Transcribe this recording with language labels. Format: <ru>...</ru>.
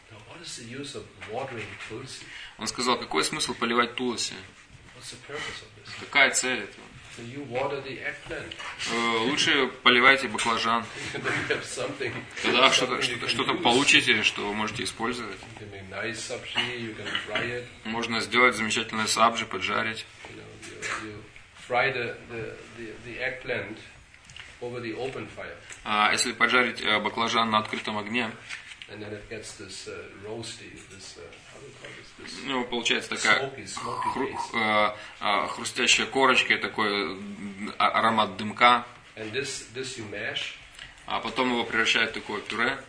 <en>Now, what is the use of watering tulsi?</en> <ru>Он сказал, какой смысл поливать туласи?</ru> <en>What's the purpose of this?</en> <ru>Какая цель этого?</ru> <en>So you water the eggplant.</en> <ru>Лучше поливайте баклажан.</ru> <en>Then you have something.</en> <ru>Тогда что-то получите, что вы можете использовать.</ru> <en>You can make nice sabji, you can fry it.</en> <ru>Можно сделать замечательное сабжи, поджарить.</ru> <en>You know, you fry the eggplant over the open fire.</en> <ru>Если поджарить баклажан на открытом огне.</ru> <en>And then it gets this roasty, this.</en> <ru>Ну, получается такая хрустящая корочка, такой аромат дымка.</ru> <en>And this you mash.</en> <ru>А потом его превращают в такое пюре.</ru>